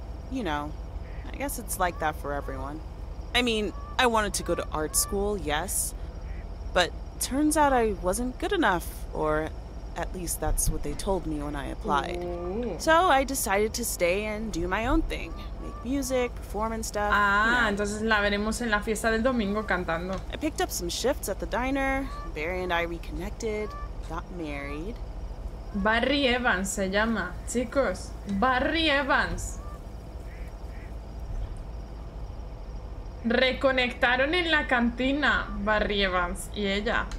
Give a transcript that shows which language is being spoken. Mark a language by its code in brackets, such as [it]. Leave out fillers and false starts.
[en] You know, I guess it's like that for everyone. I mean, I wanted to go to art school, yes. But turns out I wasn't good enough, or at least that's what they told me when I applied. Ooh. So I decided to stay and do my own thing. Make music, perform and stuff. [es] Entonces la veremos en la fiesta del domingo cantando. [en] I picked up some shifts at the diner. Barry and I reconnected, got married. [es] Barry Evans se llama, chicos. Barry Evans. Reconectaron en la cantina, Barry Evans y ella.